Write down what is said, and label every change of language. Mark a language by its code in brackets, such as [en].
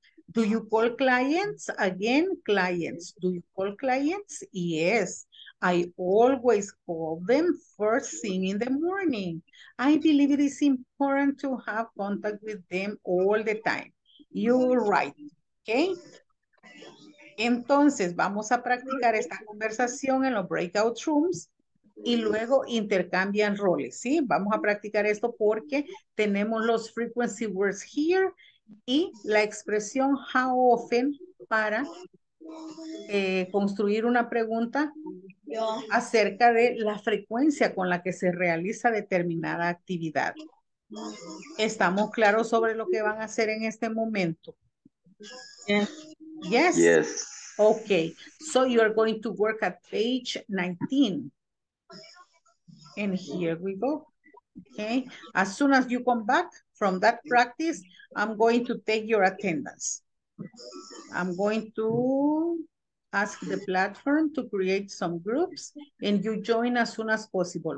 [en] Do you call clients? Again, clients. Do you call clients? Yes. I always call them first thing in the morning. I believe it is important to have contact with them all the time. You're right. Okay? [es] Entonces, vamos a practicar esta conversación en los breakout rooms. Y luego intercambian roles, ¿sí? Vamos a practicar esto porque tenemos los [en] frequency words here [es] y la expresión how often para construir una pregunta acerca de la frecuencia con la que se realiza determinada actividad. ¿Estamos claros sobre lo que van a hacer en este momento? [en] Yes. Yes. Okay. So you are going to work at page 19. And here we go. Okay. As soon as you come back from that practice, I'm going to take your attendance. I'm going to ask the platform to create some groups and you join as soon as possible.